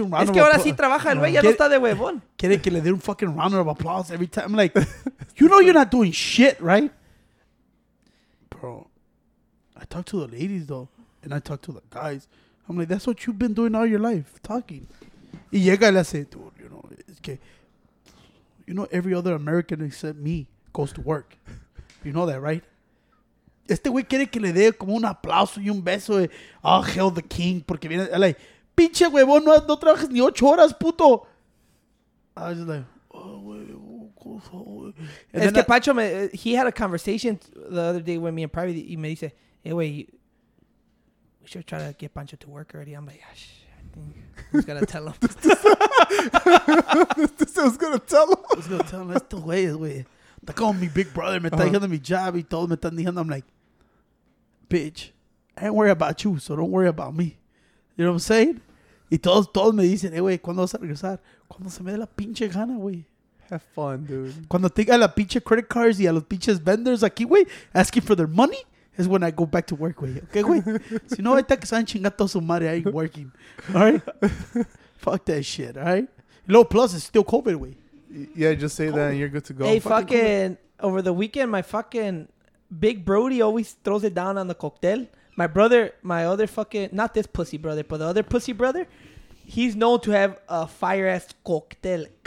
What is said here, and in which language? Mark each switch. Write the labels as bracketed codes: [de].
[en] round of applause. [es] Es que ahora sí trabaja el güey, ya no está de huevón. Quiere que le dé un [en] fucking round of applause every time. I'm like, you know you're not doing shit, right? Bro, I talk to the ladies, though, and I talk to the guys. I'm like, that's what you've been doing all your life, talking. [es] Y llega y le hace, [en] dude, you know, it's que, you know, every other American except me goes to work. You know that, right? [es] Este güey quiere que le dé como un aplauso y un beso de, [en] oh, hell the king, [es] porque viene, [en] I'm like, [es] pinche huevón, no trabajas ni 8 horas, puto. [en] I was just like, oh, güey, oh, [es] güey. Es que Pacho, [en] he had a conversation the other day with me in private, [es] y me dice, hey, güey, [en] we should try to get Pancho to work already. I'm like, yeah, shit, I think who's going to tell him? Who's going to tell him? Who's going to tell him? That's the way, güey. They call me big brother. [es] Me está diciendo mi job. Y todo me están diciendo. [en] I'm like, bitch, I ain't worried about you, so don't worry about me. You know what I'm saying? [es] Y todos me dicen, hey, güey, ¿cuándo vas a regresar? Cuando se me dé la pinche gana, güey. [en] Have fun, dude. [es] Cuando tenga la pinche [en] credit cards [es] y a los pinches [en] vendors [es] aquí, güey, [en] asking for their money, is when I go back to work, güey. Okay, güey? [es] Si no, ahorita que están chingando su madre, [en] I ain't working. All right? Fuck that shit, all right? Low plus, it's still COVID, güey. Yeah, just say that and you're good to go. Hey, fucking over the weekend, my fucking big Brody always throws it down on the cocktail. My brother, my other fucking, not this pussy brother, but the other pussy brother, he's known to have a fire-ass cocktail.